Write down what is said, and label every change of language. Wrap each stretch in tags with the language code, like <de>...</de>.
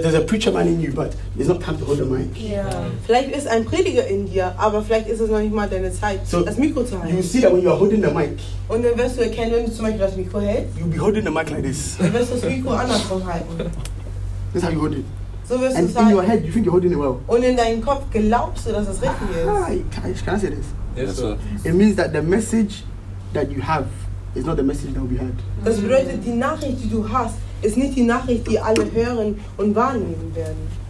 <en>There's a preacher man in you, but it's not time to hold the mic. Yeah. So you see that when you are holding the mic.</en> <de>Und dann wirst du erkennen, wenn du zum Beispiel das Mikro hältst.</de> <en>You'll be holding the mic like this.</en> <de>Wirst das Mikro anders halten.</de> <en>That's how you hold it.</en> <de>So wirst</de> <en>and</en> <de>du sagen,</de> <en>in your head, you think you're holding it well.</en> <de>Und in deinem Kopf glaubst du, dass das richtig ist.</de> <en>Can I say this? Yes, sir. It means that the message that you have is not the message that will be heard.</en> <de>Das bedeutet, die Nachricht, die du hast, ist nicht die Nachricht, die alle hören und wahrnehmen werden.</de>